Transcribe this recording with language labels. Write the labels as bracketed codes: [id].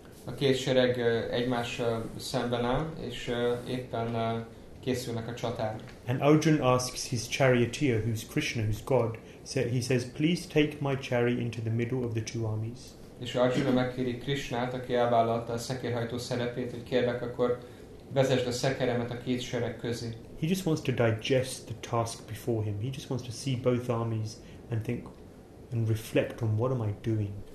[hu] A két sereg egymással szemben áll, és éppen készülnek a csatára. [en] And Arjuna asks his charioteer, who's Krishna, who's God, he says, please take my chariot into the middle of the two armies. [hu] És Arjuna megkéri Krishnát, aki elvállalta a szekérhajtó szerepét, hogy kérlek, akkor vezesd a szekeremet a két sereg közé. [en] He just wants to digest the task before him. He just wants to see both armies and think and reflect on what am I doing.